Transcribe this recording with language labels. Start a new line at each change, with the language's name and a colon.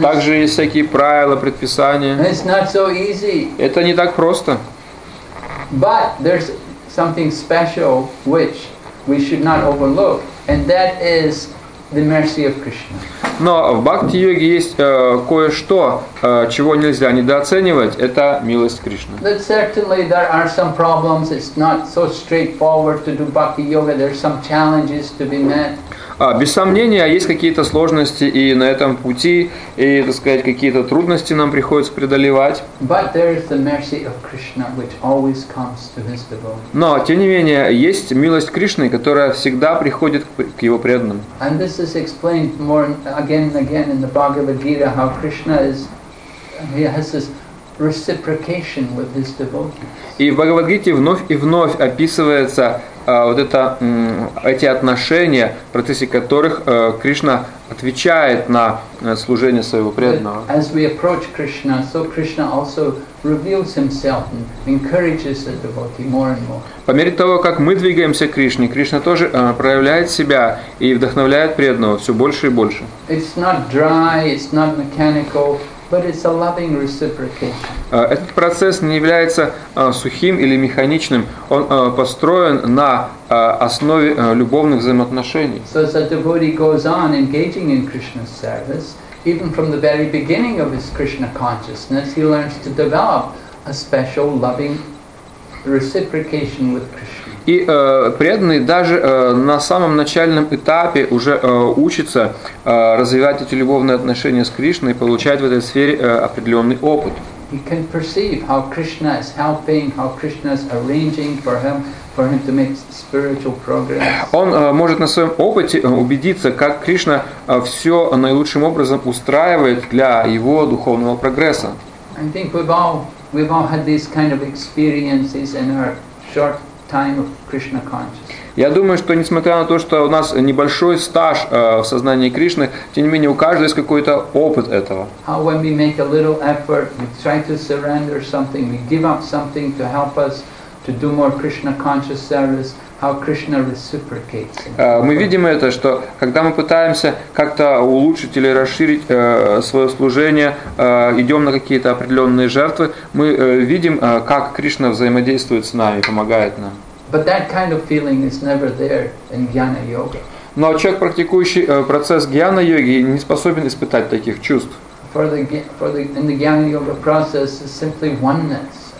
Russian: Также есть всякие правила, предписания.
English: It's not so easy.
Russian: Это не так просто.
English: But there's something special which we should not overlook, and that is the mercy of Krishna.
Russian: Но в бхакти-йоге есть кое-что, чего нельзя недооценивать, это милость Кришны.
English: But certainly there are some problems, it's not so straightforward to do bhakti-yoga, there are some challenges to be met.
Russian: Без сомнения, есть какие-то сложности и на этом пути, и, так сказать, какие-то трудности нам приходится преодолевать. Но, тем не менее, есть милость Кришны, которая всегда приходит к Его преданным.
English: And this is explained more again and again in the Bhagavad Gita, how Krishna is, he has this reciprocation with his devotees.
Russian: И в Бхагавад-гите вновь и вновь описывается вот это эти отношения, в процессе которых Кришна отвечает на служение своего преданного.
English: As we approach Krishna, so Krishna also reveals himself and encourages the devotee more and more.
Russian: По мере того, как мы двигаемся к Кришне, Кришна тоже проявляет себя и вдохновляет преданного все больше и больше.
English: It's not dry, it's not mechanical. But it's a loving reciprocation.
Russian: Этот процесс не является сухим или механичным. Он построен на основе любовных взаимоотношений.
English: So as a devotee goes on engaging in Krishna's service, even from the very beginning of his Krishna consciousness, he learns to develop a special loving reciprocation with Krishna.
Russian: И преданный даже на самом начальном этапе уже учится развивать эти любовные отношения с Кришной и получать в этой сфере определенный опыт.
English: He can perceive how Krishna is helping, how Krishna is arranging for him, for him to make spiritual progress.
Russian: Он может на своем опыте убедиться, как Кришна все наилучшим образом устраивает для его духовного прогресса.
English: I think we've all had these kind of experiences in our short time of Krishna consciousness.
Russian: Я думаю, что несмотря на то, что у нас небольшой стаж в сознании Кришны, тем не менее у каждого есть какой-то опыт этого.
English: How when we make a little effort, we try to surrender something, we give up something to help us to do more Krishna conscious service. How Krishna reciprocates.
Russian: Мы видим это, что когда мы пытаемся как-то улучшить или расширить свое служение, идем на какие-то определенные жертвы, мы видим, как Кришна взаимодействует с нами, помогает нам.
English: But that kind of feeling is never there in Jnana Yoga.
Russian: Но человек, практикующий процесс Jnana Йоги, не способен испытать таких чувств.
English: In the Jnana Yoga process is simply oneness.